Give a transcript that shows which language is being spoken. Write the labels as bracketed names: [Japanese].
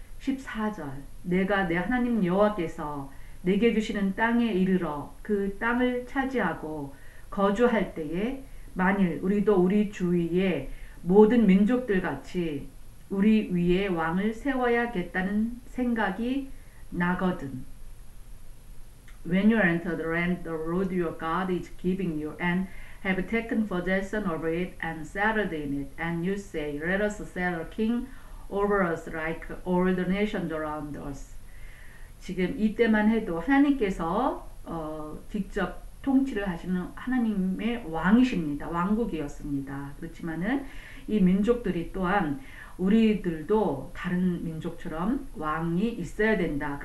[Korean] 14절 내가 내 하나님 여호와께서 내게 주시는 땅에 이르러 그 땅을 차지하고 거주할 때에 만일 우리도 우리 주위에 모든 민족들 같이 우리 위에 왕을 세워야겠다는 생각이 나거든. [English] When you enter the land the Lord your God is giving you and have taken possession of it and settled in it and you say let us set a king over us like all the nations around us. [Korean] 지금 이때만 해도 하나님께서 직접 통치를 하시는 하나님의 왕이십니다. 왕국이었습니다. 그렇지만은 이 민족들이 또한 우리들도 다른 민족처럼 왕이 있어야 된다.